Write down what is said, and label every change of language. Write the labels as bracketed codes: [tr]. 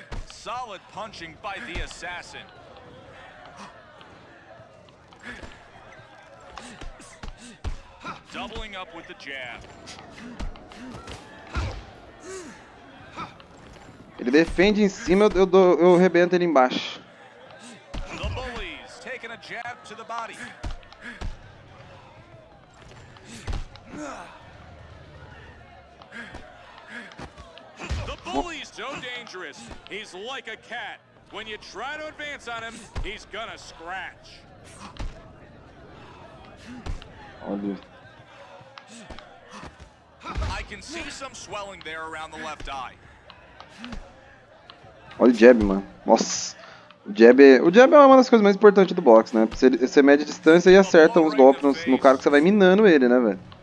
[en] Solid punching by the assassin. Doubling up with the jab. [pt] Ele defende em cima, eu arrebento ele embaixo. [en] The bullies taking a jab to the body. The bully's so dangerous. He's like a cat. When you try to advance on him, he's gonna scratch. [pt] Olha. [en] I can see some swelling there around the left eye. [pt] Olha o jab, mano. Nossa. O jab é uma das coisas mais importantes do boxe, né? Você mede a distância e acerta uns golpes no cara que você vai minando ele, né, velho?